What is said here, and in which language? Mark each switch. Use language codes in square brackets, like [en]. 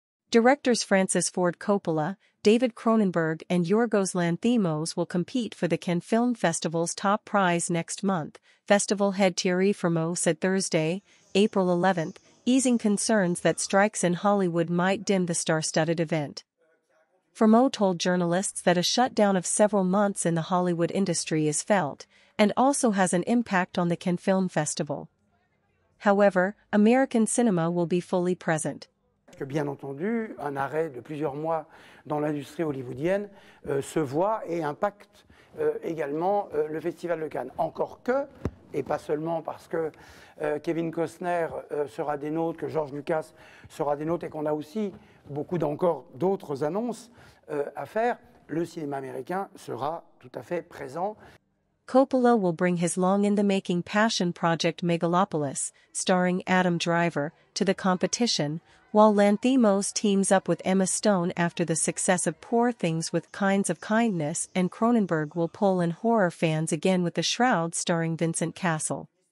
[en] Directors Francis Ford Coppola, David Cronenberg and Yorgos Lanthimos will compete for the Cannes Film Festival's top prize next month, festival head Thierry Fremaux said Thursday, April 11, easing concerns that strikes in Hollywood might dim the star-studded event. Fremaux told journalists that a shutdown of several months in the Hollywood industry is felt, and also has an impact on the Cannes Film Festival. However, American cinema will be fully present. [fr] Bien entendu, un arrêt de plusieurs mois dans l'industrie hollywoodienne se voit et impacte également le Festival de Cannes. Encore que, et pas seulement parce que Kevin Costner sera des nôtres, que George Lucas sera des nôtres et qu'on a aussi beaucoup d'encore d'autres annonces à faire, le cinéma américain sera tout à fait présent. [en] Coppola will bring his long-in-the-making passion project Megalopolis, starring Adam Driver, to the competition, while Lanthimos teams up with Emma Stone after the success of Poor Things with Kinds of Kindness, and Cronenberg will pull in horror fans again with The Shroud starring Vincent Cassel.